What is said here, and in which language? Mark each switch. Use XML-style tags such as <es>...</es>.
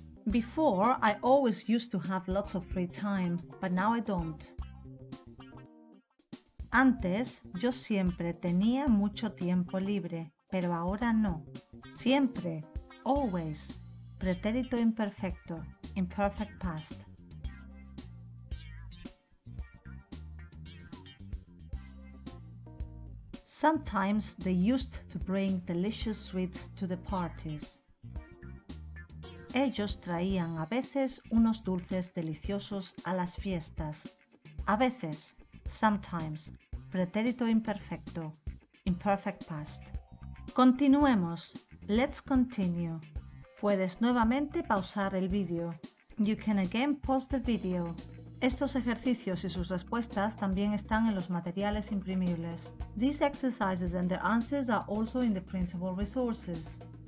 <en>Before, I always used to have lots of free time, but now I don't.</en> <es>Antes, yo siempre tenía mucho tiempo libre, pero ahora no. Siempre, always, pretérito imperfecto,</es> <en>imperfect past. Sometimes they used to bring delicious sweets to the parties.</en> <es>Ellos traían a veces unos dulces deliciosos a las fiestas. A veces, sometimes, pretérito imperfecto,</es> <en>imperfect past.</en> <es>Continuemos.</es> <en>Let's continue.</en> <es>Puedes nuevamente pausar el vídeo.</es> <en>You can again pause the video.</en> <es>Estos ejercicios y sus respuestas también están en los materiales imprimibles.</es> <en>These exercises and their answers are also in the printable resources.</en>